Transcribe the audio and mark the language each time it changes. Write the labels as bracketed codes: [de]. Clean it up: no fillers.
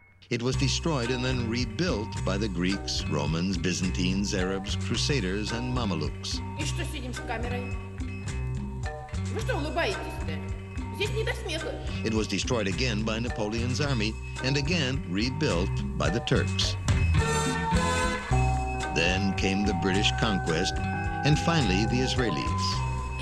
[en] It was destroyed and then rebuilt by the Greeks, Romans, Byzantines, Arabs, Crusaders, and Mamelukes. [ru] И что сидим с камерой? Вы что улыбаетесь-то? Здесь не до смеха. [en] It was destroyed again by Napoleon's army and again rebuilt by the Turks. Then came the British conquest and finally the Israelis.